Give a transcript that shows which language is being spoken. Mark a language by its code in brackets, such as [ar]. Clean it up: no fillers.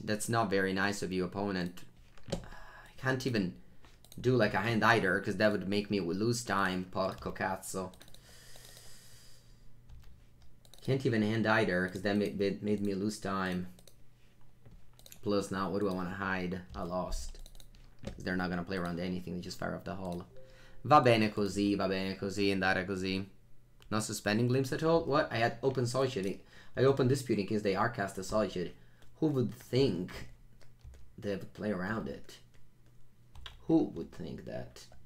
[en] That's not very nice of you, opponent. I can't even do like a hand either, because that would make me lose time. [it] Porco cazzo. [en] Can't even hand either, because that made me lose time. Plus now, what do I want to hide? I lost. Because they're not going to play around anything, they just fire off the hole. [it] Va bene così, andare così. [en] Not suspending Glimpse at all? What? I had open Solitude. I opened Dispute in case they are cast a Solitude. Who would think they would play around it? Who would think that?